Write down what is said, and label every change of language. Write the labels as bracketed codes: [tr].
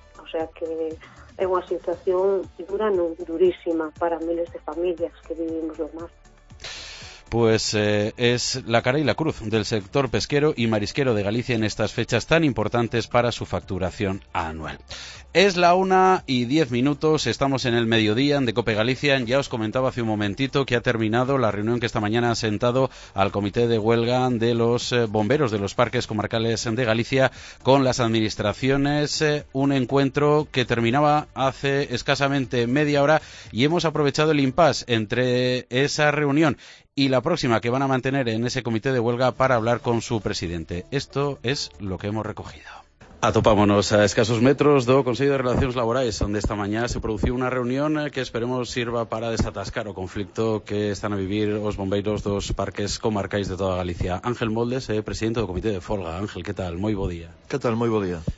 [gl] O sea que é unha situación dura, non durísima, para miles de familias que vivimos lo más. [es] Pues es la cara y la cruz del sector pesquero y marisquero de Galicia en estas fechas tan importantes para su facturación anual. Es la 1:10, estamos en el mediodía de COPE Galicia. Ya os comentaba hace un momentito que ha terminado la reunión que esta mañana ha sentado al comité de huelga de los bomberos de los parques comarcales de Galicia con las administraciones, un encuentro que terminaba hace escasamente media hora, y hemos aprovechado el impasse entre esa reunión y la próxima que van a mantener en ese comité de huelga para hablar con su presidente. Esto es lo que hemos recogido. [gl] Atopámonos a escasos metros do Consello de Relacións Laborais, onde esta mañá se produciu unha reunión que esperemos sirva para desatascar o conflicto que están a vivir os bombeiros dos parques comarcais de toda Galicia. Ángel Moldes, presidente do Comité de Folga. Ángel, que tal? Moi bo día. Que tal? Moi bo día.